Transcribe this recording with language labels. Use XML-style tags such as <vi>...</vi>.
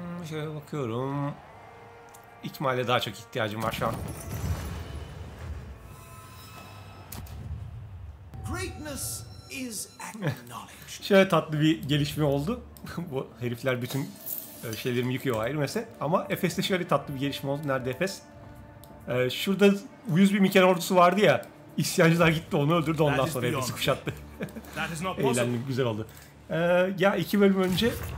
<tr>Şöyle bakıyorum. İkmale daha çok ihtiyacım var şu an.</tr> <en>Greatness is acknowledged.</en> <tr>Şöyle tatlı bir gelişme oldu. Bu herifler bütün şeylerimi yıkıyor ayrı mesele. Ama Efes'te şöyle tatlı bir gelişme oldu. Nerede Efes? Şurada 100 bin Miken ordusu vardı ya. İsyancılar gitti onu öldürdü. Ondan sonra Efes'i kuşattı. Eğlendim, güzel oldu. Ya iki bölüm önce...</tr>